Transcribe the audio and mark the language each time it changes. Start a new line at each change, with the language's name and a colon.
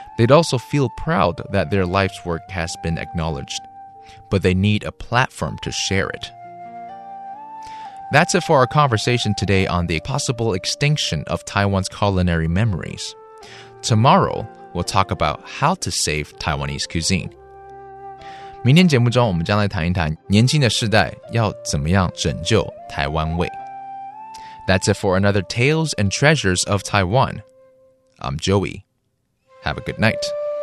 English: They'd also feel proud that their life's work has been acknowledged. But they need a platform to share it. That's it for our conversation today on the possible extinction of Taiwan's culinary memories. Tomorrow, we'll talk about how to save Taiwanese cuisine.
Chinese: 明天节目中我们将来谈一谈年轻的世代要怎么样拯救台湾味。
English: That's it for another Tales and Treasures of Taiwan. I'm Joey. Have a good night.